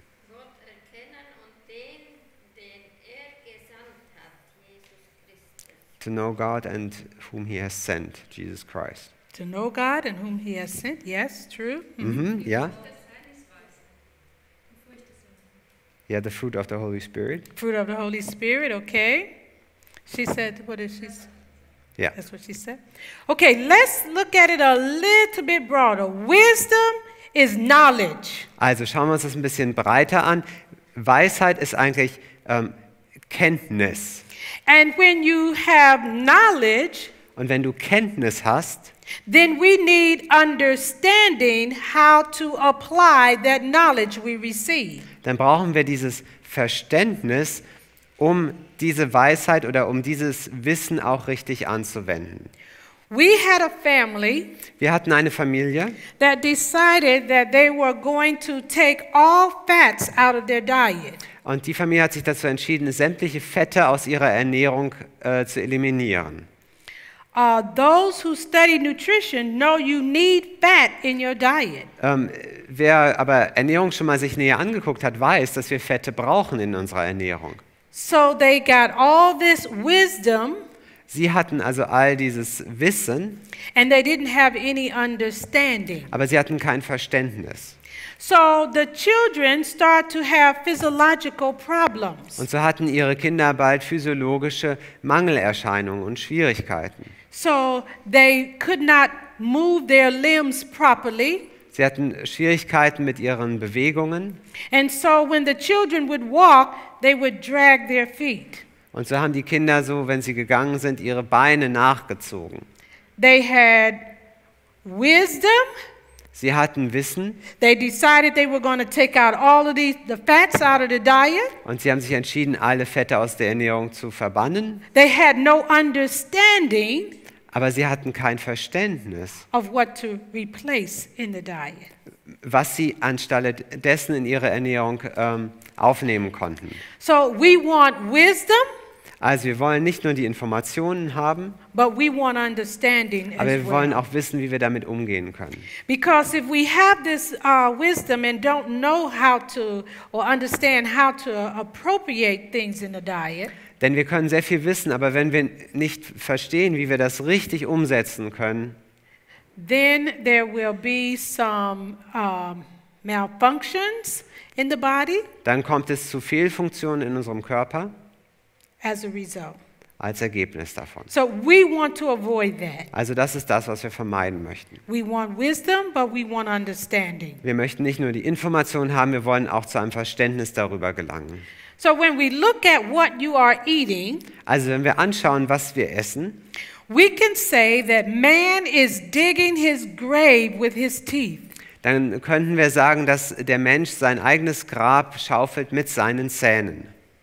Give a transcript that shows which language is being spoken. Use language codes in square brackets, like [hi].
[de] Gott erkennen und den, den er gesandt hat, Jesus [en] to know God and whom he has sent, Jesus Christ. To know God and whom he has sent, yes, true. Mm-hmm. Yeah. Yeah, the fruit of the Holy Spirit. Fruit of the Holy Spirit, okay. She said, what did she say? Yeah. That's what she said. Okay, let's look at it a little bit broader. Wisdom is knowledge. [de] Also schauen wir uns das ein bisschen breiter an. Weisheit ist eigentlich Kenntnis. [en] And when you have knowledge, [de] und wenn du Kenntnis hast, [en] then we need understanding how to apply that knowledge we receive. [de] Dann brauchen wir dieses Verständnis, um diese Weisheit oder um dieses Wissen auch richtig anzuwenden. [en] We had a family, [de] wir hatten eine Familie, [en] that decided that they were going to take all fats out of their diet. [de] Und die Familie hat sich dazu entschieden, sämtliche Fette aus ihrer Ernährung zu eliminieren. [en] Those who study nutrition know you need fat in your diet. [de] Wer aber Ernährung schon mal sich näher angeguckt hat, weiß, dass wir Fette brauchen in unserer Ernährung. [en] So they got all this wisdom. [de] Sie hatten also all dieses Wissen. [en] And they didn't have any understanding. [de] Aber sie hatten kein Verständnis. [en] So the children start to have physiological problems. [de] Und so hatten ihre Kinder bald physiologische Mangelerscheinungen und Schwierigkeiten. [en] So they could not move their limbs properly. [de] Sie hatten Schwierigkeiten mit ihren Bewegungen. [en] And so when the children would walk, they would drag their feet. [de] Und so haben die Kinder so, wenn sie gegangen sind, ihre Beine nachgezogen. [en] They had wisdom. [de] Sie hatten Wissen. [en] They decided they were going to take out all of the fats out of the diet. [de] Und sie haben sich entschieden, alle Fette aus der Ernährung zu verbannen. [en] They had no understanding. [de] Aber sie hatten kein Verständnis. [en] Of what to replace in the diet. [de] Was sie anstelle dessen in ihre Ernährung aufnehmen konnten. [en] So we want wisdom. [de] Also wir wollen nicht nur die Informationen haben, [en] but we want understanding [de] aber wir wollen auch wissen, wie wir damit umgehen können. [en] Because if we have this wisdom and don't know how to or understand how to appropriate things in the diet, [de] denn wir können sehr viel wissen, aber wenn wir nicht verstehen, wie wir das richtig umsetzen können, [en] then there will be some malfunctions in the body. [de] Dann kommt es zu Fehlfunktionen in unserem Körper. [en] As a result. [de] Als Ergebnis davon. [en] So we want to avoid that. [de] Also das ist das, was wir vermeiden möchten. [en] We want wisdom, but we want understanding. [de] Wir möchten nicht nur die Information haben, wir wollen auch zu einem Verständnis darüber gelangen. [en] So when we look at what you are eating, [de] also wenn wir anschauen, was wir essen, [en] we can say that man is digging his grave with his teeth. [de] Dann könnten wir sagen, dass der Mensch sein eigenes Grab schaufelt mit seinen Zähnen.